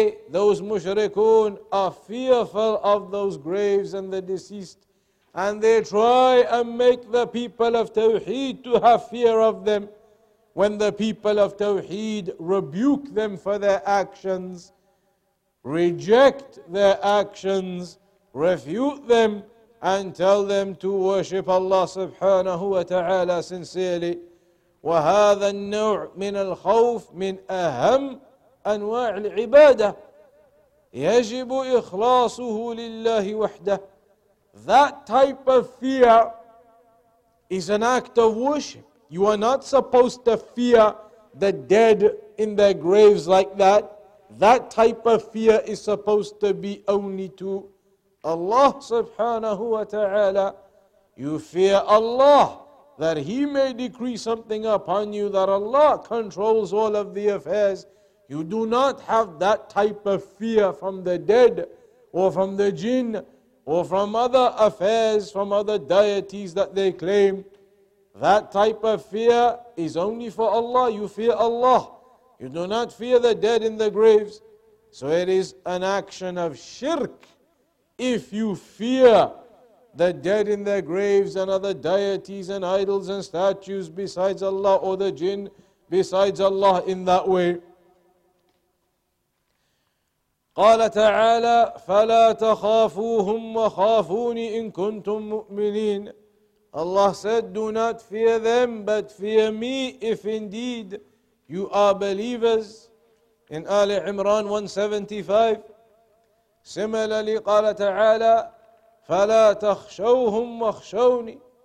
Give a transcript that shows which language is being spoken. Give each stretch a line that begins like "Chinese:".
English: Those mushrikun are fearful of those graves and the deceased, and they try and make the people of Tawheed to have fear of them. When the people of Tawheed rebuke them for their actions, reject their actions, refute them, and tell them to worship Allah subhanahu wa ta'ala sincerely.
Arabic: وهذا النوع من الخوف من أهم أنواع العبادة يجب إخلاصه لله وحده.
English: That type of fear is an act of worship. You are not supposed to fear the dead in their graves like that. That type of fear is supposed to be only to Allah subhanahu wa ta'ala. You fear Allah, that He may decree something upon you, that Allah controls all of the affairs. You do not have that type of fear from the dead or from the jinn or from other affairs, from other deities that they claim. That type of fear is only for Allah. You fear Allah. You do not fear the dead in the graves. So it is an action of shirk if you fear the dead in their graves and other deities and idols and statues besides Allah, or the jinn besides Allah in that way.
Arabic: قال تعالى فلا تخافوهم وخافوني إن كنتم مؤمنين.
English: Allah said, do not fear them, but fear me if indeed you are believers. In Ali Imran 175. Similarly,
Arabic: قال تعالى, فلا تخشوهم وخشوني.